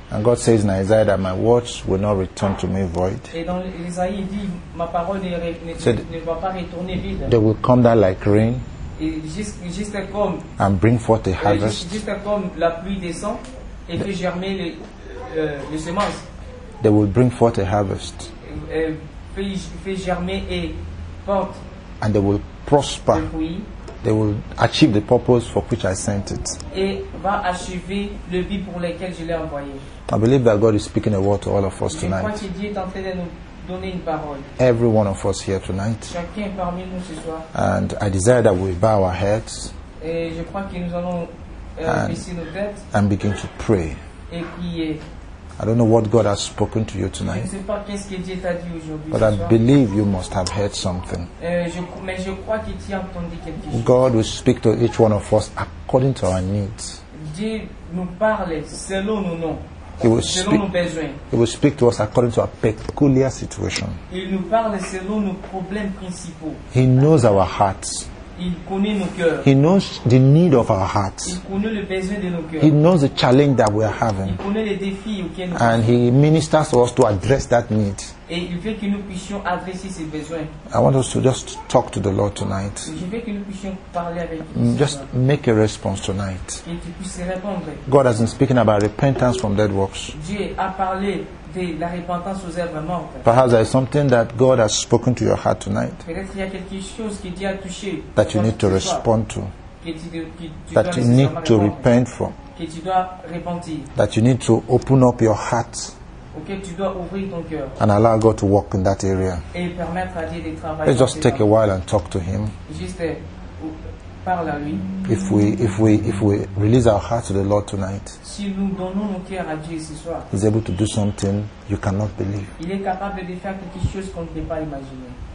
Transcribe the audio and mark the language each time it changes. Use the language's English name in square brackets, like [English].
[English] And God says in Isaiah that my words will not return to me void. [French] Et dans l'Isaïe il dit ma parole ne va pas retourner vide. [English] They will come down like rain. [French] Et juste comme. [English] And bring forth a harvest. [French] Juste comme la pluie descend et fait germer les semences. [English] They will bring forth a harvest. [French] Fait germer et porte. [English] And they will prosper. They will achieve the purpose for which I sent it. [French] Et va achever le but pour lequel je l'ai envoyé. [English] I believe that God is speaking a word to all of us tonight. [French] Je crois que Dieu est en train de nous donner une parole. [English] Every one of us here tonight. [French] Chacun parmi nous ce soir. [English] And I desire that we bow our heads. [French] Et je crois que nous allons baisser nos têtes. [English] And begin to pray. [French] Et prier. [English] I don't know what God has spoken to you tonight. [French] Je sais pas qu'est-ce que Dieu t'a dit aujourd'hui. [English] But I believe you must have heard something. [French] Mais je crois que tu as entendu quelque chose. [English] God will speak to each one of us according to our needs. [French] Dieu nous parle selon nos noms. [English] He will speak to us according to our peculiar situation. [French] Il nous parle selon nos problèmes principaux. [English] He knows our hearts. [French] Il connaît nos cœurs. [English] He knows the need of our hearts. [French] Il connaît le besoin de nos cœurs. [English] He knows the challenge that we are having. [French] Il connaît les défis auxquels nous [English] and he ministers to us to address that need. [French] Et il veut que nous puissions adresser ces besoins. [English] I want us to just talk to the Lord tonight. [French] Je veux que nous puissions parler avec [English] just Lord. Make a response tonight. [French] Et tu puisses répondre. [English] God has been speaking about repentance from dead works. [French] Dieu a parlé de la repentance aux œuvres mortes. [English] Perhaps there is something that God has spoken to your heart tonight. [French] Peut-être qu'il y a quelque chose que Dieu a touché. [English] That you need to respond to. That you need to repent from. [French] Que tu dois repentir. [English] That you need to open up your heart. [French] Auquel tu dois ouvrir ton cœur. [English] And allow God to work in that area. [French] Et permettre à Dieu de travailler. [English] Let's just take a while and talk to him. [French] Juste parle à lui. [English] If we release our heart to the Lord tonight. [French] Si nous donnons nos cœurs à Dieu ce soir. [English] He's able to do something you cannot believe. [French] Il est capable de faire quelque chose qu'on ne peut pas imaginer.